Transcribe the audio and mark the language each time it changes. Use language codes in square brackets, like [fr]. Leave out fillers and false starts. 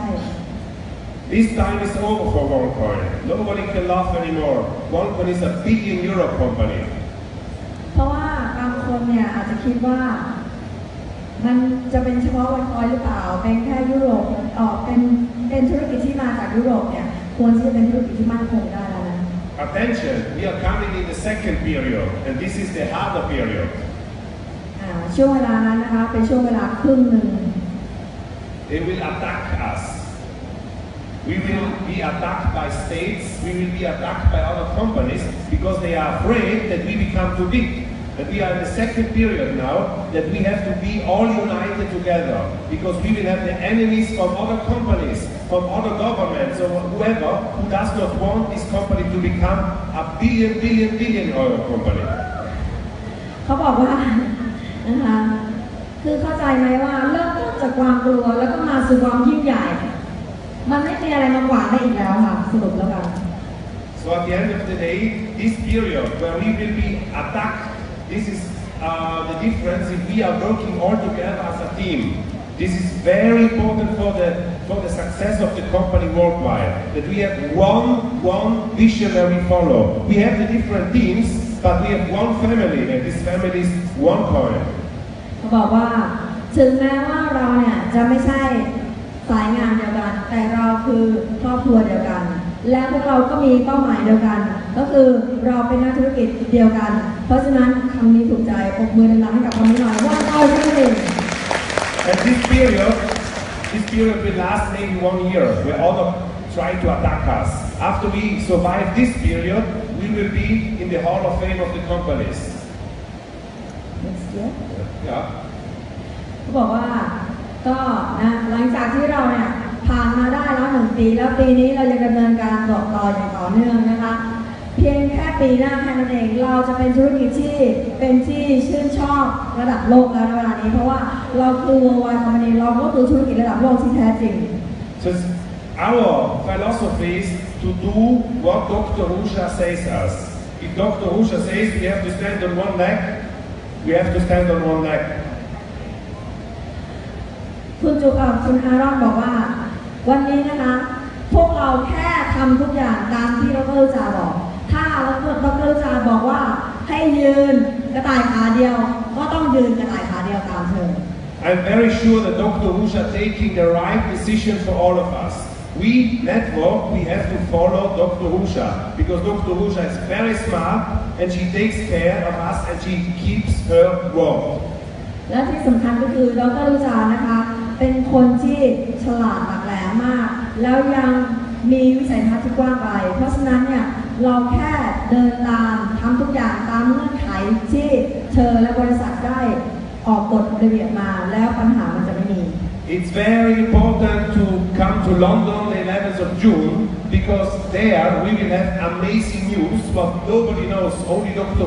[en] This time is over for OneCoin. Nobody can laugh anymore. OneCoin is a big in Europe company. [th] เพราะว่าบางคนเนี่ยอาจจะคิดว่ามันจะเป็นเฉพาะ OneCoin หรือเปล่าเป็นแค่ยุโรปเป็นธุรกิจที่มาจากยุโรปเนี่ยควรที่จะเป็นธุรกิจที่มั่นคงได้แล้วนะ [en] Attention, we are coming in the second period, and this is the harder period. [th] ช่วงเวลานั้นนะคะเป็นช่วงเวลาครึ่งหนึ่ง [en] They will attack us. We will be attacked by states. We will be attacked by other companies because they are afraid that we become too big. That we are in the second period now. That we have to be all united together because we will have the enemies from other companies, from other governments, or whoever who does not want this company to become a billion-dollar company. [th] เขาบอกว่านะคะคือเข้าใจไหมว่าเริ่มต้นจากความกลัวแล้วก็มาสู่ความยิ่งใหญ่มันไม่มีอะไรมาขวางได้อีกแล้วค่ะสรุปแล้วกัน [en] So at the end of the day this period where we will be attacked this is the difference if we are working all together as a team this is very important for the success of the company worldwide that we have one vision that we follow we have the different teamsBut we have one family, and this family is one coin. [th] เขาบอกว่าถึงแม้ว่าเราเนี่ยจะไม่ใช่สายงานเดียวกันแต่เราคือครอบครัวเดียวกันและพวกเราก็มีเป้าหมายเดียวกันก็คือเราเป็นนักธุรกิจเดียวกันเพราะฉะนั้นคำนี้ถูกใจปรบมือดังๆให้กับความหมายว่าเราคือหนึ่ง [en] And this period will last maybe 1 year, where all of try to attack us. After we survive this period. We will be in the Hall of Fame of the companies. Next year. Yeah. [th] เขาบอกว่าก็นะหลังจากที่เราเนี่ยผ่านมาได้แล้ว1ปีแล้วปีนี้เราจะดำเนินการต่อต่ออย่างต่อเนื่องนะคะเพียงแค่ปีหน้าแค่นั้นเองเราจะเป็นธุรกิจที่เป็นที่ชื่นชอบระดับโลกแล้วในเวลานี้เพราะว่าเราคือ Worldwide Company เราก็คือธุรกิจระดับโลกที่แท้จริง [en] So our philosophy isTo do what Dr. Usha says us. If Dr. Usha says we have to stand on one leg, we have to stand on one leg. [th] คุณจูคุณอารอนบอกว่าวันนี้นะคะพวกเราแค่ทำทุกอย่างตามที่ดร. จาบอกถ้าดร. จาบอกว่าให้ยืนกระต่ายขาเดียวก็ต้องยืนกระต่ายขาเดียวตามเธอ [en] I'm very sure that Dr. Wu is taking the right decision for all of us. We network, we have to follow Dr. Husha, because Dr. Husha is very smart and she takes care of us and she keeps her word. [th] และที่สำคัญก็คือดร. รุจานะคะเป็นคนที่ฉลาดหลักแหลมมากแล้วยังมีวิสัยทัศน์ที่กว้างไกลเพราะฉะนั้นเนี่ยเราแค่เดินตามทำทุกอย่างตามเงื่อนไขที่เธอและบริษัทได้ออกกฎระเบียบมาแล้วปัญหามันจะไม่มี [en] It's very important to come to London the 11th of June because there we will have amazing news what nobody knows, only Dr.